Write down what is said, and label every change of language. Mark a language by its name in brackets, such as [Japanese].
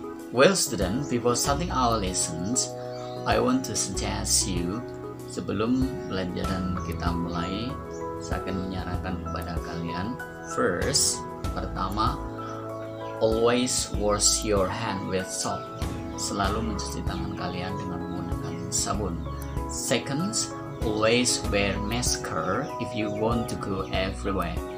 [English] Well student, before starting our lessons, I want to suggest you, [Indonesian] sebelum pelajaran kita mulai, saya akan menyarankan kepada kalian. [English] First, [Indonesian] pertama, [English] always wash your hand with soap. [Indonesian] Selalu mencuci tangan kalian dengan menggunakan sabun. [English] Second, always wear masker if you want to go everywhere.